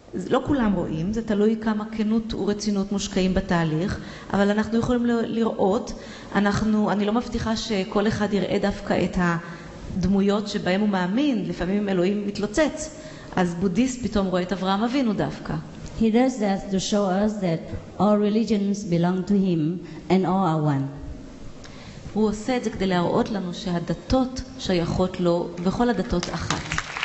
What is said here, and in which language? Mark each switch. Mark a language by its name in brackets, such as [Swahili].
[Hebrew] לא כולם רואים, זה תלוי כמה כנות ורצינות מושקעים בתהליך, אבל אנחנו יכולים לראות, אני לא מבטיחה שכל אחד יראה דווקא את הדמויות שבהם הוא מאמין, לפעמים אלוהים מתלוצץ, אז בודיסט פתאום רואה את אברהם אבינו דווקא. [English] He does that to show us that all religions belong to him and all are one. [Hebrew] הוא עושה את זה כדי להראות לנו שהדתות שייכות לו וכל הדתות אחת.